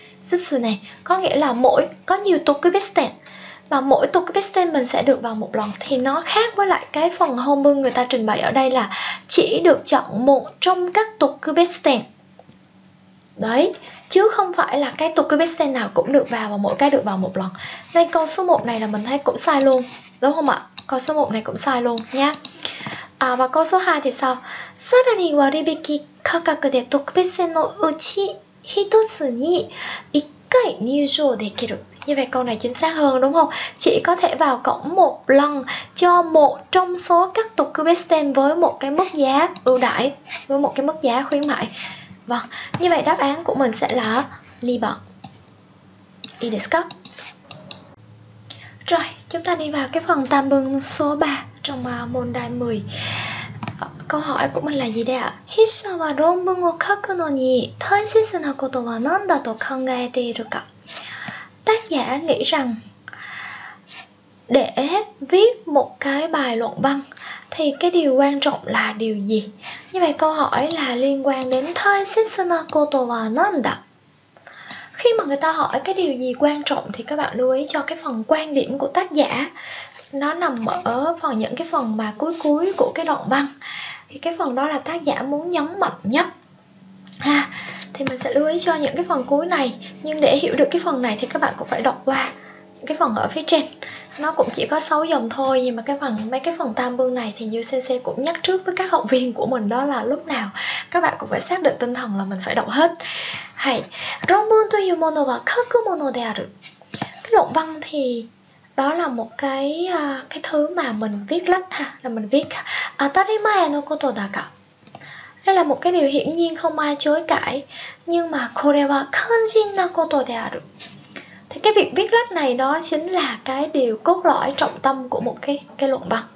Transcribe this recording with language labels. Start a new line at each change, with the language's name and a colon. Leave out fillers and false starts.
Vietnamese: Jitsu này có nghĩa là mỗi có nhiều tokubetsuten và mỗi tokubetsuten mình sẽ được vào một lần, thì nó khác với lại cái phần honbu người ta trình bày ở đây là chỉ được chọn một trong các tokubetsuten. Đấy, chứ không phải là cái tokubetsuten nào cũng được vào và mỗi cái được vào một lần. Nên câu số 1 này là mình thấy cũng sai luôn, đúng không ạ? Câu số 1 này cũng sai luôn nha. À, và câu số 2 thì sao?
Japanese: さらに割引価格で特別線のうち一つに一回入場できる。
Vietnamese: Như vậy câu này chính xác hơn đúng không? Chỉ có thể vào cổng một lần cho một trong số các tokubetsuten với một cái mức giá ưu đãi, với một cái mức giá khuyến mại. Vâng, như vậy đáp án của mình sẽ là 2번.
Japanese: いいですか?
Vietnamese: Rồi, chúng ta đi vào cái phần tạm bừng số 3 trong môn đài 10. Câu hỏi của mình là gì đây ạ?
Japanese: 筆者は論文を書くのに大切なことは何だと考えているか?
Vietnamese: Tác giả nghĩ rằng để viết một cái bài luận văn thì cái điều quan trọng là điều gì? Như vậy câu hỏi là liên quan đến
Japanese: 大切なことは何だ?
Vietnamese: Khi mà người ta hỏi cái điều gì quan trọng thì các bạn lưu ý cho cái phần quan điểm của tác giả. Nó nằm ở phần những cái phần mà cuối cuối của cái đoạn văn. Thì cái phần đó là tác giả muốn nhấn mạnh nhất. Ha. Thì mình sẽ lưu ý cho những cái phần cuối này. Nhưng để hiểu được cái phần này thì các bạn cũng phải đọc qua những cái phần ở phía trên. Nó cũng chỉ có 6 dòng thôi. Nhưng mà cái phần mấy cái phần tam bương này thì UCC cũng nhắc trước với các học viên của mình, đó là lúc nào các bạn cũng phải xác định tinh thần là mình phải đọc hết.
Japanese: Hay, 論文というものは書くものである.
Vietnamese: Cái luận văn thì đó là một cái thứ mà mình viết lách ha, là mình viết.
Japanese: Atarimae no koto da ka.
Vietnamese: Đây là một cái điều hiển nhiên không ai chối cãi. Nhưng mà
Japanese: kore wa kanjin na koto de aru.
Vietnamese: Thì cái việc viết lách này đó chính là cái điều cốt lõi trọng tâm của một cái luận văn.